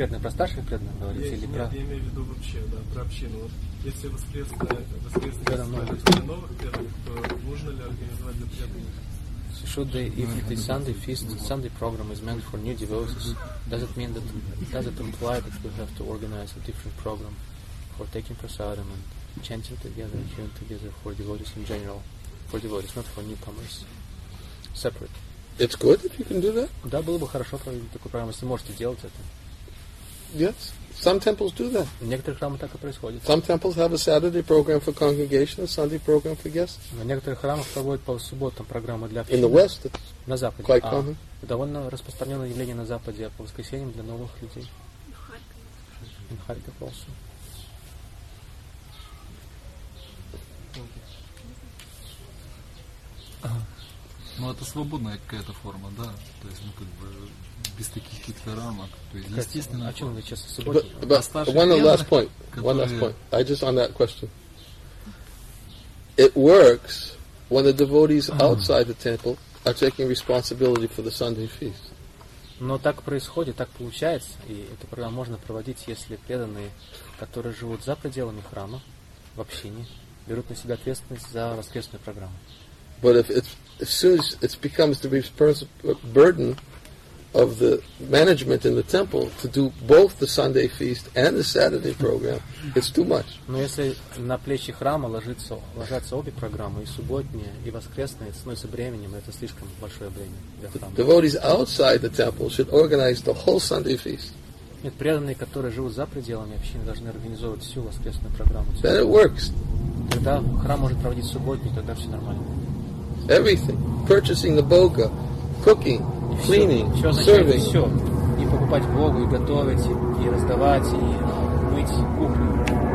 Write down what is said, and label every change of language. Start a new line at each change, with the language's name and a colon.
Russian: Старших преданных говорите или нет, про... Нет, я имею в виду вообще, да, про общину. Вот если воскресные новых преданных, то нужно ли организовать для преданных?
English: So should the evening the Sunday feast, Sunday program is meant for new devotees, does it mean that, does it imply that we have to organize a different program for taking prasadam and chanting together and hearing together for devotees in general, for devotees, not for newcomers, separate? It's good if you can do that.
Russian: Да, было бы хорошо проводить такую программу, если можете делать это.
English: Yes, some temples do that.
Russian: В некоторых храмах так и происходит.
English: Some temples have a Saturday program for congregation, a Sunday program for guests.
Russian: В некоторых храмах проводят по субботам программы для общины.
English: In the West,
Russian: на Западе,
English: quite common.
Russian: А, довольно распространенное явление на Западе по воскресеньям для новых людей.
English: In Kharkiv also.
Russian: Ну, это свободная какая-то форма, да. То есть, ну, как бы, без таких каких-то рамок. То есть, естественно... О чем вы сейчас о субботе?
English: One last point. I just on that question. It works when the devotees outside the temple are taking responsibility for the Sunday feast.
Russian: Но так происходит, так получается, и эту программу можно проводить, если преданные, которые живут за пределами храма, в общине, берут на себя ответственность за воскресную программу.
English: But if it's as soon as it becomes the burden of the management in the temple to do both the Sunday feast and the Saturday program, it's too much.
Russian: Но если на плечи храма ложатся обе программы, и субботняя, и воскресная, это становится бременем, это слишком большое бремя для храма.
English: Devotees outside the temple should organize the whole Sunday feast.
Russian: Нет, преданные, которые живут за пределами общины, должны организовывать всю воскресную программу.
English: Then it works.
Russian: Тогда храм может проводить субботний, тогда все нормально.
English: Everything. Purchasing the boga, cooking, cleaning, serving.
Russian: Все. И покупать богу, и готовить, и раздавать, и мыть кухню.